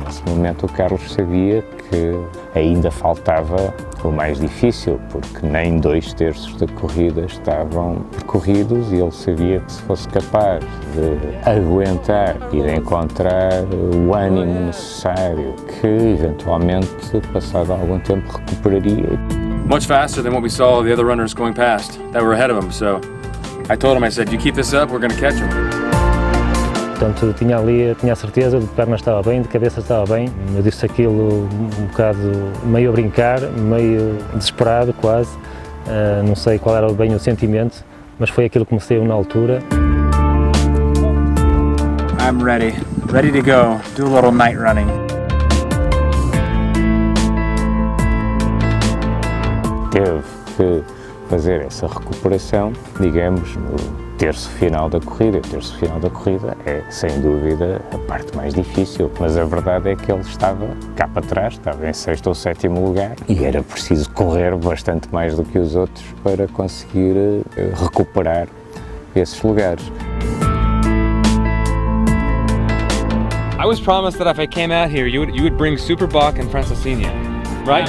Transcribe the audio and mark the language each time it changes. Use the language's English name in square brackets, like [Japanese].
[Portuguese] Nesse momento o Carlos sabia que ainda faltava o mais difícil, porque nem dois terços da corrida estavam percorridos e ele sabia que se fosse capaz de aguentar e de encontrar o ânimo necessário, que eventualmente, passado algum tempo, recuperaria. [English] Much faster than what we saw the other runners going past that were ahead of him. So I told him, I said, you keep this up, we're going to catch him. [Portuguese] Portanto, tinha a certeza de que a perna estava bem, de cabeça estava bem. Eu disse aquilo um bocado meio a brincar, meio desesperado quase. Não sei qual era bem o sentimento, mas foi aquilo que me saiu na altura. [English] I'm ready. Ready to go. Do a little night running. [Portuguese] Teve que fazer essa recuperação, digamos, terço final da corrida. O terço final da corrida é, sem dúvida, a parte mais difícil, mas a verdade é que ele estava cá para trás, estava em sexto ou sétimo lugar, e era preciso correr bastante mais do que os outros para conseguir recuperar esses lugares. [English] I was promised that if I came out here, you would bring Super Bach and Francesinha, right?